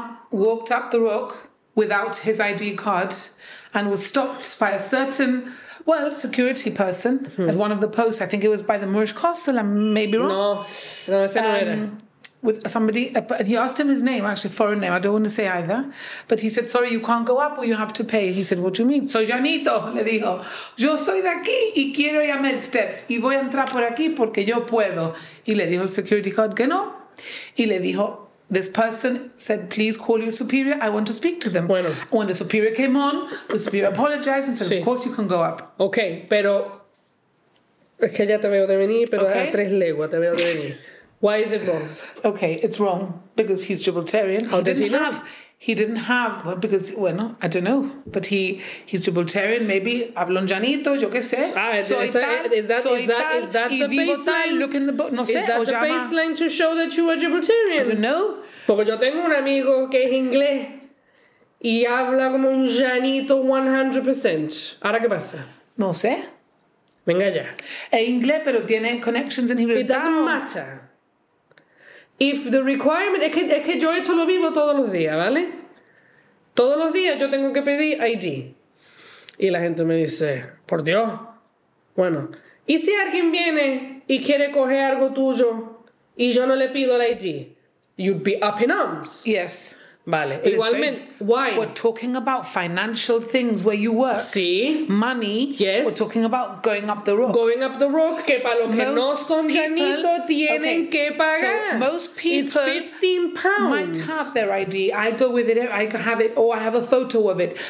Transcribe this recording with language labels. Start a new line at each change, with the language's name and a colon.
English: Walked up the rock without his ID card and was stopped by a certain... Well, security person at one of the posts. I think it was by the Moorish Castle. I may be wrong.
Spanish: No, ese no era.
English: With somebody, and he asked him his name, actually, foreign name. I don't want to say either. But he said, sorry, you can't go up or you have to pay. He said, what do you mean?
Spanish: Soy Janito, le dijo. Yo soy de aquí y quiero ir a Med Steps. Y voy a entrar por aquí porque yo puedo. Y le dijo
English: security guard
Spanish: que no. Y le dijo...
English: This person said, please call your superior. I want to speak to them.
Spanish: Bueno.
English: When the superior came on, the superior apologized and said,
Spanish: sí.
English: Of course you can go up.
Spanish: Okay, pero... Es que ya te veo de venir, pero okay. A tres leguas te veo de venir.
English: Why is it wrong? Okay, it's wrong because he's Gibraltarian. How he did didn't he have? He didn't have... Well, because,
Spanish: bueno,
English: I don't know. But he's Gibraltarian. Maybe
Spanish: hablo en Janito, yo qué sé.
English: Is that the baseline? Look in the book.
Spanish: No sé.
English: Is that the baseline to show that you are Gibraltarian? I don't know.
Spanish: Porque yo tengo un amigo que es inglés y habla como un Janito 100%. ¿Ahora qué pasa? No sé. Venga ya. Es inglés, pero tiene
English: connections in Gibraltar. It doesn't matter. If the requirement...
Spanish: Es que yo esto lo vivo todos los días, ¿vale? Todos los días yo tengo que pedir ID. Y la gente me dice, por Dios. Bueno, ¿y si alguien viene y quiere coger algo tuyo y yo no le pido el ID?
English: You'd be up in arms. Yes.
Spanish: Vale,
English: but
Spanish: igualmente.
English: Why? We're talking about financial things where you work. Sí. Money. Yes. We're talking about going up the rock. Going up the rock,
Spanish: que para los que no son Janito tienen que pagar.
English: So most people it's £15. Might have their ID. I go with it, I have it, or I have a photo of it.